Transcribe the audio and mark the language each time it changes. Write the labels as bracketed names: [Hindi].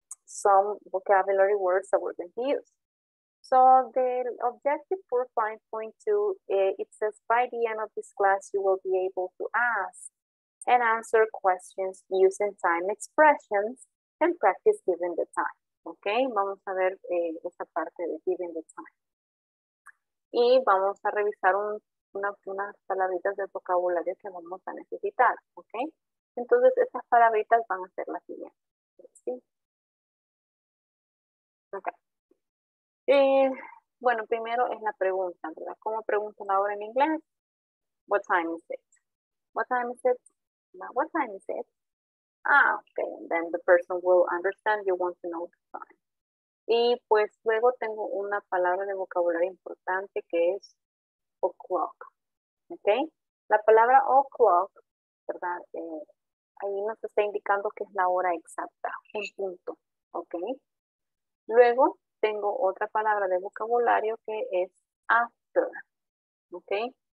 [English] some vocabulary words that we're going to use. So the objective for 5.2, it says by the end of this class, you will be able to ask and answer questions using time expressions and practice giving the time. [Spanish] Okay, vamos a ver esta parte de [English] giving the time. [Spanish] Y vamos a revisar unas palabritas del vocabulario que vamos a necesitar, ¿ok? Entonces, estas palabritas van a ser las siguientes, ¿sí? Ok. Bueno, primero es la pregunta, ¿verdad? ¿Cómo pregunto la hora en inglés? [English] What time is it? What time is it? Now, what time is it? Ah, ok. Then the person will understand you want to know the time. [Spanish] Y pues luego tengo una palabra de vocabulario importante que es o'clock, ¿ok? La palabra o'clock, ¿verdad? Ahí nos está indicando que es la hora exacta, un punto, ¿ok? Luego tengo otra palabra de vocabulario que es after, ¿ok?